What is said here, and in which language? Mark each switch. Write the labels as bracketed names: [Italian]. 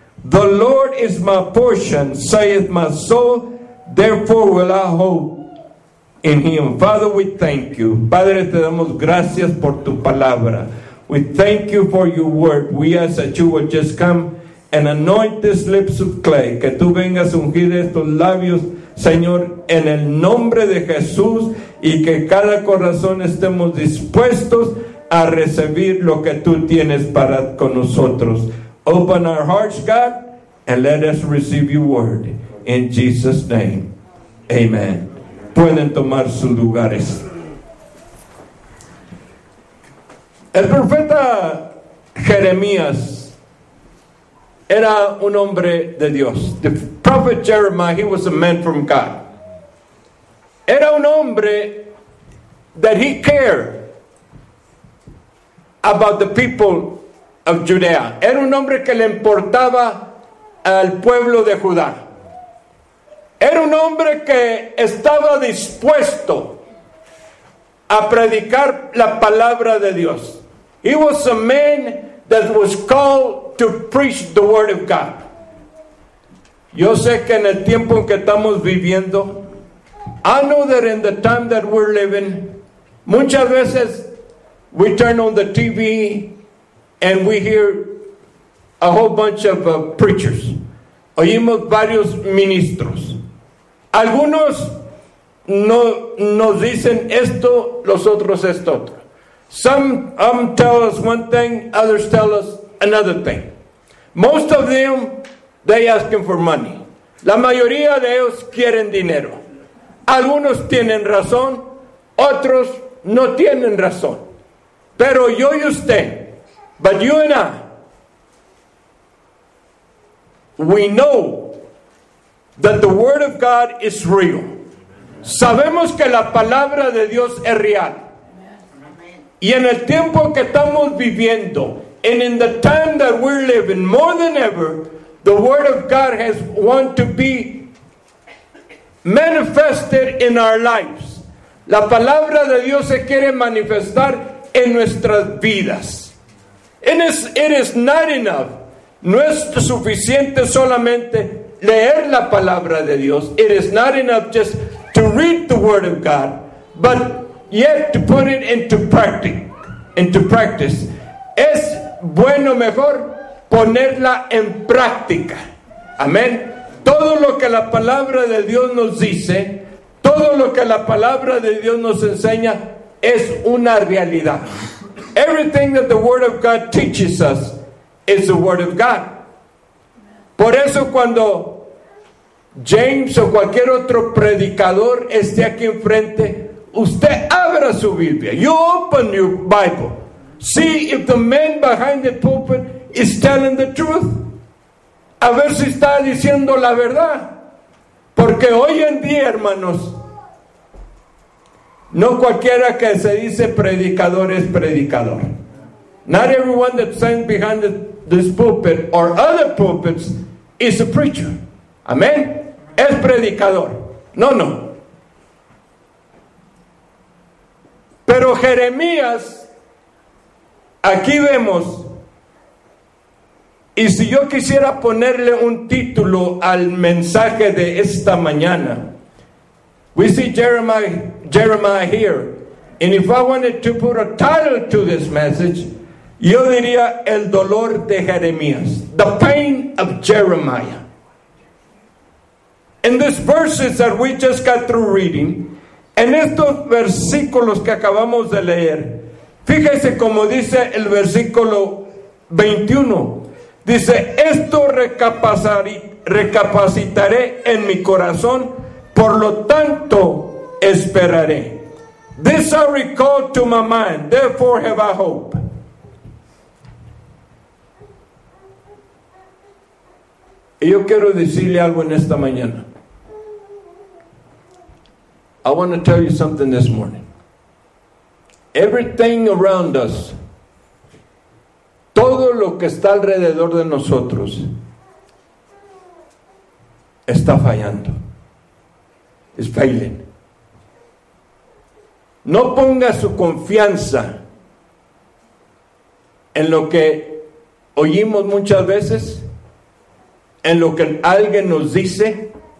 [English] The Lord is my portion, saith my soul. Therefore will I hope in him. Father, we thank you. [Spanish] Padre, te damos gracias por tu palabra. [English] We thank you for your word. We ask that you would just come and anoint these lips of clay. [Spanish] Que tú vengas a ungir estos labios, Señor, en el nombre de Jesús. Y que cada corazón estemos dispuestos a recibir lo que tú tienes para con nosotros. [English] Open our hearts, God, and let us receive your word. In Jesus' name, amen. [Spanish] Pueden tomar sus lugares. El profeta Jeremías era un hombre de Dios. [English] The prophet Jeremiah, he was a man from God. [Spanish] Era un hombre [English] that he cared about the people of Judea. [Spanish] Era un hombre que le importaba al pueblo de Judá. Era un hombre que estaba dispuesto a predicar la palabra de Dios. [English] He was a man that was called to preach the word of God. [Spanish] Yo sé que en el tiempo en que estamos viviendo, [English] I know that in the time that we're living, [Spanish] muchas veces [English] we turn on the TV and we hear a whole bunch of preachers. [Spanish] Oímos varios ministros. Algunos no nos dicen esto, los otros esto otro. [English] Some tell us one thing, others tell us another thing. Most of them, they asking for money. [Spanish] La mayoría de ellos quieren dinero. Algunos tienen razón, otros no tienen razón. Pero yo y usted, [English] but you and I, we know that the word of God is real. [Spanish] Sabemos que la palabra de Dios es real. Y en el tiempo que estamos viviendo, [English] and in the time that we're living, more than ever, the word of God has want to be manifested in our lives. [Spanish] La palabra de Dios se quiere manifestar en nuestras vidas. [English] It is not enough. [Spanish] No es suficiente solamente leer la palabra de Dios. [English] It is not enough just to read the word of God, but yet to put it into practice. [Spanish] Es bueno mejor ponerla en práctica. Amén. Todo lo que la palabra de Dios nos dice, todo lo que la palabra de Dios nos enseña, es una realidad. [English] Everything that the word of God teaches us is the word of God. [Spanish] Por eso cuando James o cualquier otro predicador esté aquí enfrente, usted abra su Biblia. [English] You open your Bible. See if the man behind the pulpit is telling the truth. [Spanish] A ver si está diciendo la verdad. Porque hoy en día, hermanos, no cualquiera que se dice predicador es predicador. [English] Not everyone that stands behind this pulpit or other pulpits is a preacher. [Spanish] Amén. Es predicador. No, no. Pero Jeremías, aquí vemos, y si yo quisiera ponerle un título al mensaje de esta mañana, [English] we see Jeremiah here, and if I wanted to put a title to this message, [Spanish] yo diría el dolor de Jeremías, [English] the pain of Jeremiah. In these verses that we just got through reading, [Spanish] en estos versículos que acabamos de leer, fíjese como dice el versículo 21. Dice, esto recapacitaré en mi corazón, por lo tanto esperaré. [English] This I recall to my mind, therefore have I hope. [Spanish] Y yo quiero decirle algo en esta mañana. [English] I want to tell you something this morning. Everything around us, [Spanish] todo lo que está alrededor de nosotros está fallando. [English] It's failing. [Spanish] No ponga su confianza en lo que oímos muchas veces, en lo que alguien nos dice.